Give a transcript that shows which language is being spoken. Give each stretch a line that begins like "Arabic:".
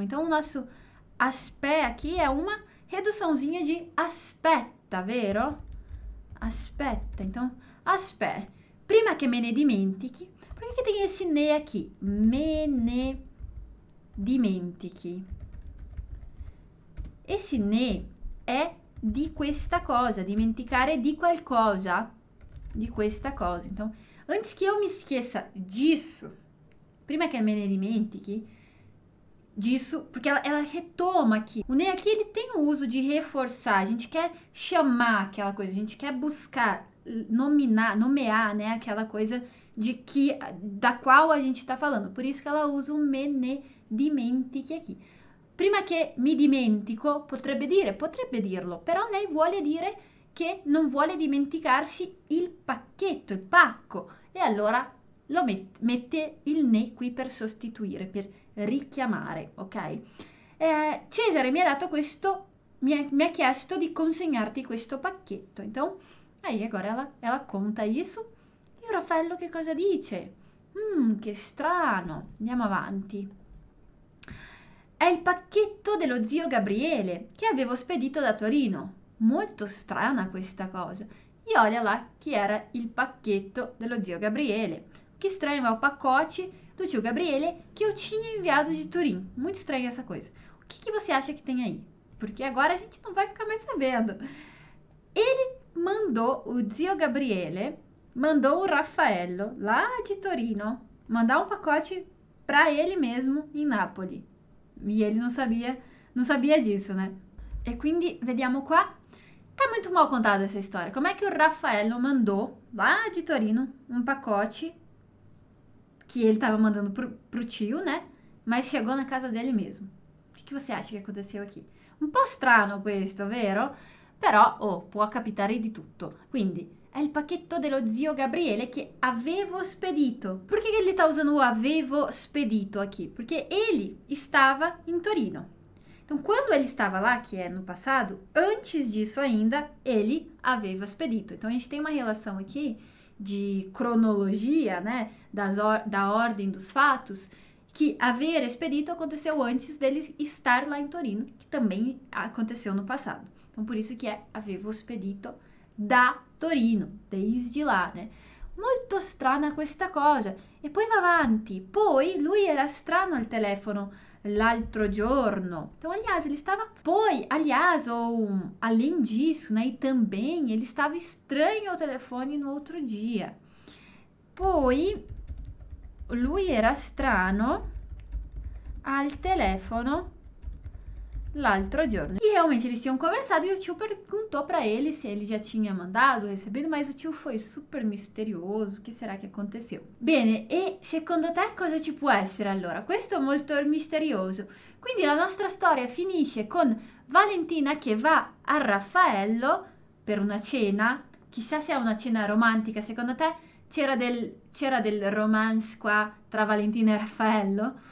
Portuguese: Então, o nosso aspetta aqui é uma reduçãozinha de aspetta, vero?
Italian: Aspetta, então, aspetta. Prima che me ne dimentichi, perché
Portuguese: tem esse ne aqui?
Italian: Me ne dimentichi.
Portuguese: Esse ne é
Italian: di questa cosa, dimenticare di qualcosa, di questa cosa.
Portuguese: Então, antes que eu me esqueça disso,
Italian: prima che me ne dimentichi,
Portuguese: disso, porque ela retoma aqui. O ne aqui, ele tem o uso de reforçar, a gente quer chamar aquela coisa, a gente quer buscar, nomear, né, aquela coisa de que, da qual a gente está falando. Por isso que ela usa o
Italian: me ne dimentichi
Portuguese: aqui.
Italian: Prima che mi dimentico, potrebbe dirlo, però lei vuole dire che non vuole dimenticarsi il pacchetto, il pacco. E allora lo mette il ne qui per sostituire, per richiamare, ok? Cesare mi ha dato questo, mi ha chiesto di consegnarti questo pacchetto.
Portuguese: Então, aí agora ela conta isso.
Italian: E o Raffaello che cosa dice? Che strano, andiamo avanti. È il pacchetto dello zio Gabriele che avevo spedito da Torino. Molto strana questa cosa.
Portuguese: E olha lá
Italian: che era il pacchetto dello zio Gabriele. Che strano è il
Portuguese: pacote do tio Gabriele che eu tinha enviado de Turim. Molto strana essa coisa. O que, que você acha que tem aí? Porque agora a gente não vai ficar mais sabendo. Ele mandou, o zio Gabriele, mandou o Raffaello lá de Torino mandar um pacote para ele mesmo em Napoli. E ele não sabia disso, né?
Italian: E quindi, vediamo qua.
Portuguese: Tá muito mal contada essa história. Como é que o Raffaello mandou, lá de Torino, um pacote que ele tava mandando pro tio, né? Mas chegou na casa dele mesmo. O que você acha que aconteceu aqui?
Italian: Um po' strano questo, vero? Però, può capitare di tutto. Quindi, è il pacchetto dello zio Gabriele che avevo spedito.
Portuguese: Perché ele tá usando o avevo spedito aqui? Porque ele estava em Torino. Então, quando ele estava lá, que é no passado, antes disso ainda, ele aveva spedito. Então, a gente tem uma relação aqui de cronologia, né? Da ordem dos fatos, que aver spedito aconteceu antes dele estar lá em Torino, que também aconteceu no passado. Então, por isso que é
Italian: avevo spedito da Torino,
Portuguese: desde lá, né?
Italian: Molto strana questa cosa. E poi va avanti. Poi lui era strano al telefono l'altro giorno.
Portuguese: Então, aliás, ele estava... Poi, aliás, ou além disso, né? E também, ele estava estranho ao telefone no outro dia.
Italian: Poi, lui era strano al telefono l'altro giorno.
Portuguese: E realmente eles tinham conversado e o tio perguntou para ele se ele já tinha mandado, recebido, mas o tio foi super misterioso, o que será que aconteceu?
Italian: Bene, e secondo te cosa ci può essere allora? Questo è molto misterioso. Quindi la nostra storia finisce con Valentina che va a Raffaello per una cena, chissà se è una cena romantica, secondo te c'era del romance qua tra Valentina e Raffaello?